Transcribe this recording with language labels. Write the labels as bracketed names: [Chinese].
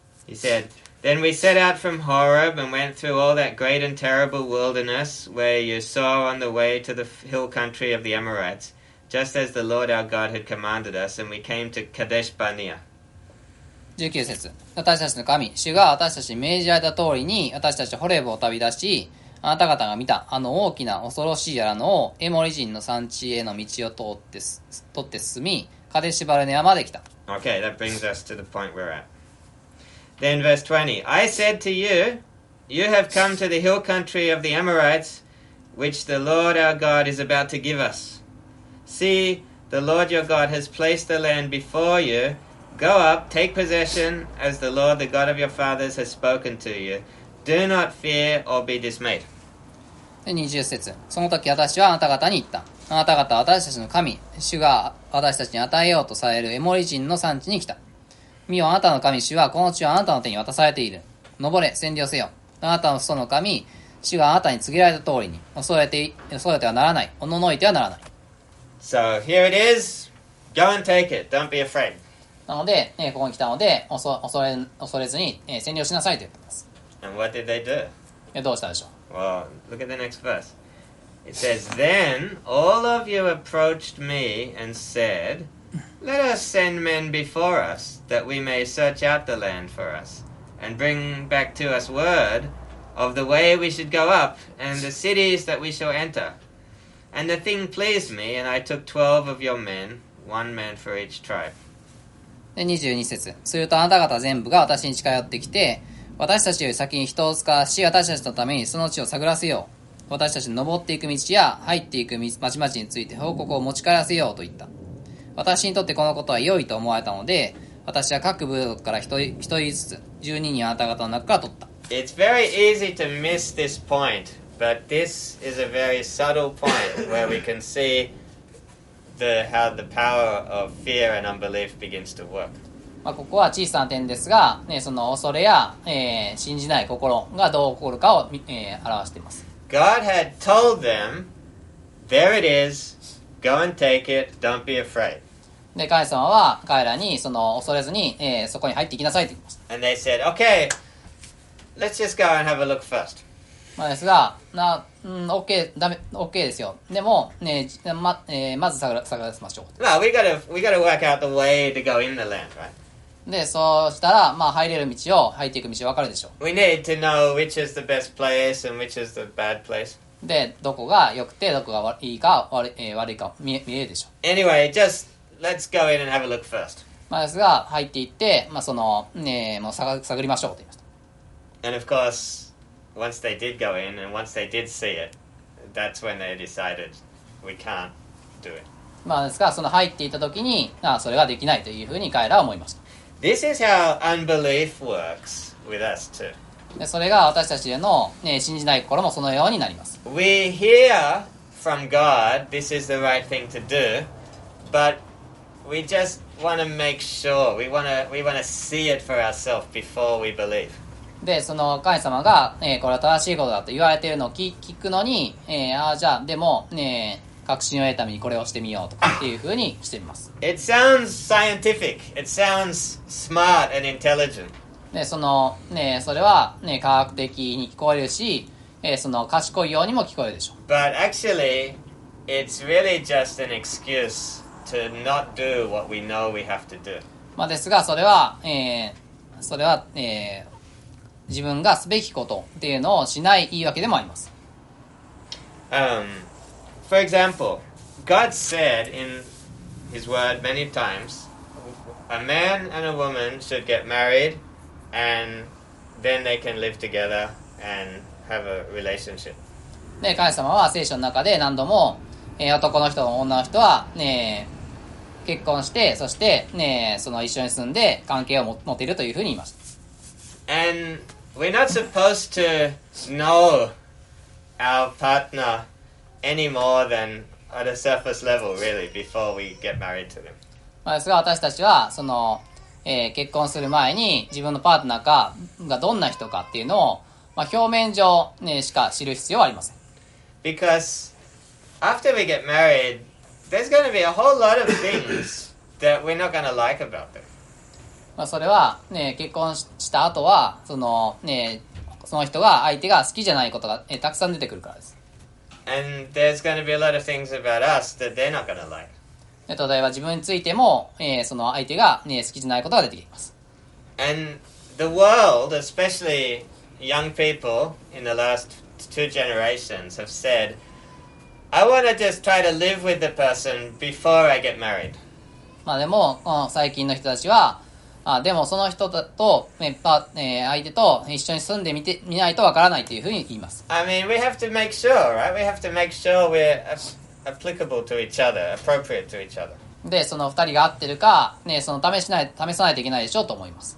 [English] He said, Then we set out from Horeb and went through all that great and terrible wilderness where you saw on the way to the hill country of the Amorites, just as the Lord our God had commanded us, and we came to Kadesh Barnea. [Japanese] 19節。私たちの神、主が私たちに命じられた通りに私たちホレブを旅出し、あなた方が見たあの大きな恐ろしい山をエモリ人の山地への道を通って進み、カデシバルネアまで来た。 [English] Okay, that brings us to the point we're at. Then verse 20, I said to you, you have come to the hill country of the Amorites, which the Lord our God is about to give us. See, the Lord your God has placed the land before you. Go up, take possession, as the Lord, the God of your fathers, has spoken to you. Do not fear or be dismayed. [Japanese] 20節、その時私はあなた方に言った。あなた方は私たちの神、主が私たちに与えようとされるエモリ人の産地に来た。見よ、あなたの神、主はこの地をあなたの手に渡されている。登れ、占領せよ。あなたの父の神、主があなたに告げられた通りに、恐れてはならない、おののいてはならない。 [English] So here it is. Go and take it. Don't be afraid. [Japanese] なので、ここに来たので、恐れずに、占領しなさいと言っています。 [English] And what did they do? [Japanese] どうしたでしょう。 [English] Well, look at the next verse. It says, Then all of you approached me and said,Let us send men before us, that we may search out the land for us, and bring back to us word of the way we should go up, and the cities that we shall enter. And the thing pleased me, and I took 12 of your men, one man for each tribe. [Japanese] 22節。するとあなた方全部が私に近寄ってきて、私たちより先に人を使わし、私たちのためにその地を探らせよう。私たちの登っていく道や入っていく町々について報告を持ち帰らせようと言った。私にとってこのことは良いと思われたので、私は各部族から一人ずつ、12人あなた方の中から取った。 [English] It's very easy to miss this point, but this is a very subtle point where we can see how the power of fear and unbelief begins to work. [Japanese] まあここは小さな点ですが、ね、その恐れや、信じない心がどう起こるかを、表しています。 [English] God had told them, there it is. Go and take it. Don't be afraid. [Japanese] で、神様は彼らにその恐れずに、そこに入っていきなさいと言いました。 [English] And they said, okay, let's just go and have a look first. [Japanese] まあですが、OK ですよ。でも、ね、まず探しましょう。 [English] Well, we gotta work out the way to go in the land, right? [Japanese] で、そうしたら、まあ入れる道を、入っていく道分かるでしょう。 [English] We need to know which is the best place and which is the bad place. [Japanese] で、どこが良くて、どこがいいか、悪いか見えるでしょう。 [English] Anyway, just let's go in and have a look first. [Japanese] まあですが、入っていって、まあその、ね、もう探りましょうと言いました。 [English] And of course, once they did go in and once they did see it, that's when they decided we can't do it. [Japanese] まあですが、その入っていた時に、ああそれができないというふうに彼らは思いました。 [English] This is how unbelief works with us too. [Japanese] でそれが私たちへの、ね、信じない心もそのようになります。 [English] We hear from God, this is the right thing to do, but we just want to make sure, we want to see it for ourselves before we believe. [Japanese] でその神様が、これは正しいことだと言われているのを 聞くのに、ああじゃあでも、確信を得るためにこれをしてみようとかっていうふうにしてみます。 [English] It sounds scientific. It sounds smart and intelligent. [Japanese] でその、それは、科学的に聞こえるし、その賢いようにも聞こえるでしょう。 [English] But actually, it's really just an excuse to not do what we know we have to do. [Japanese] まあですがそれは、それは、自分がすべきことっていうのをしない言い訳でもあります。 [English] For example, God said in His Word many times, a man and a woman should get married, and then they can live together and have a relationship. [Japanese] ね、神様は聖書の中で何度も、男の人と女の人は、ね、結婚して、そして、ね、その一緒に住んで関係を持てるというふうに言いました。 [English] And... We're not supposed to know our partner any more than at a surface level, really, before we get married to them. [Japanese] まあですが、私たちはその、結婚する前に自分のパートナーかがどんな人かっていうのを、まあ、表面上、ね、しか知る必要はありません。 [English] Because after we get married, there's going to be a whole lot of things that we're not going to like about them. [Japanese] まあ、それは、ね、結婚した後はその、ね、その人が相手が好きじゃないことが、ね、たくさん出てくるからです。 [English] And there's going to be a lot of things about us that they're not going to like. [Japanese] 例えば自分についても、その相手が、ね、好きじゃないことが出てきます。 [English] And the world, especially young people in the last two generations, have said, I want to just try to live with the person before I get married. [Japanese] まあでも、最近の人たちは、あでもその人と、相手と一緒に住んでみて見ないとわからないというふうに言います。 [English] I mean, we have to make sure, right? We have to make sure we're applicable to each other, appropriate to each other. [Japanese] で、その二人が合ってるか、ね、その試さないといけないでしょうと思います。